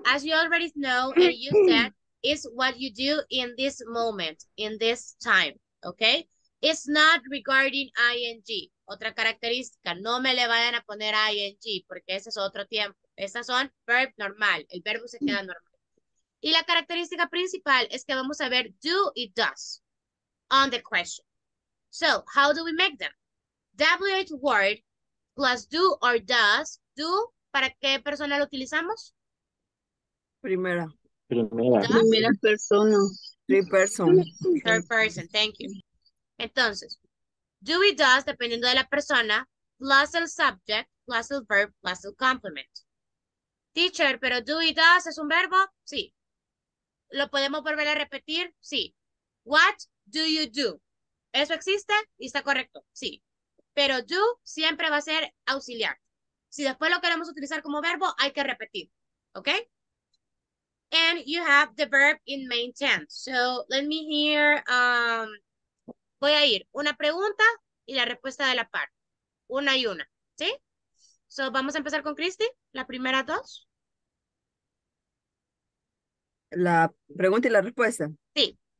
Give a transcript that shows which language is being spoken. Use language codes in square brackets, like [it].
[en] As you already know, and you said, is what you do in this moment, in this time, okay? It's not regarding ING. [es] Otra característica, no me le vayan a poner ING, porque ese es otro tiempo. Estas son verb normal, el verbo se queda normal. Y la característica principal es que vamos a ver do y does [en] on the question. So, how do we make them? WH word plus do or does. [es] Do, ¿para qué persona lo utilizamos? Primera. Primera persona. [en] Third person, thank you. [es] Entonces, do y does, dependiendo de la persona, plus el subject, plus el verb, plus el complement. Teacher, ¿pero do y does es un verbo? Sí. ¿Lo podemos volver a repetir? Sí. [en] What do you do? [es] ¿Eso existe? Y está correcto. Sí. Pero do siempre va a ser auxiliar. Si después lo queremos utilizar como verbo, hay que repetir. ¿Ok? [en] And you have the verb in main tense. So, let me hear... [es] voy a ir una pregunta y la respuesta de la par. Una y una, ¿sí? So, vamos a empezar con Christy, la primera dos. La pregunta y la respuesta. Sí.